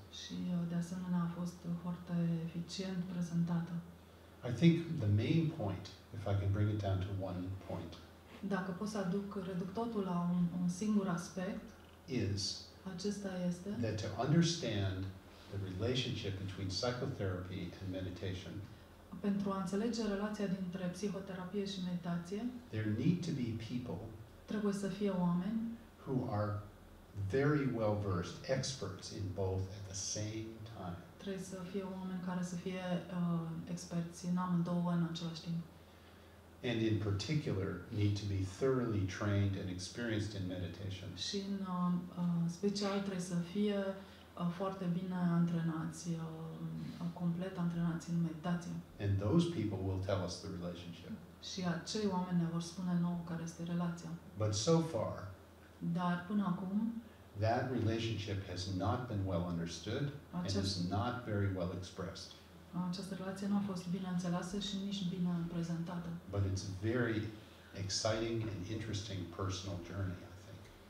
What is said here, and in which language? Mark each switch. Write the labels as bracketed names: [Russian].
[Romanian] Și de asemenea a fost foarte eficient prezentată. [English] I think the main point, if I can bring it down to one point. [Romanian] Dacă pot să aduc, reduc totul la un singur aspect, [English] is [Romanian] acesta este [English] that to understand the relationship between psychotherapy and meditation. [Romanian] Pentru a înțelege relația dintre psihoterapie și meditație, [English] there need to be people [Romanian] trebuie să fie oameni [English] who are very well versed experts in both at the same time. [Romanian] Trebuie să fie oameni care să fie experți în amândouă în același timp. [English] And in particular need to be thoroughly trained and experienced in meditation. [Romanian] Și în special trebuie să fie foarte bine antrenați, complet antrenați în meditație. [English] And those people will tell us the relationship. [Romanian] Și acei oameni ne vor spune nouă care este relația. [English] But so far, [Romanian] dar până acum, [English] that relationship has not been well understood and is not very well expressed. [Romanian] Această relație nu a fost bine înțeleasă și nici bine prezentată. [English] But it's a very exciting and interesting personal journey, I think.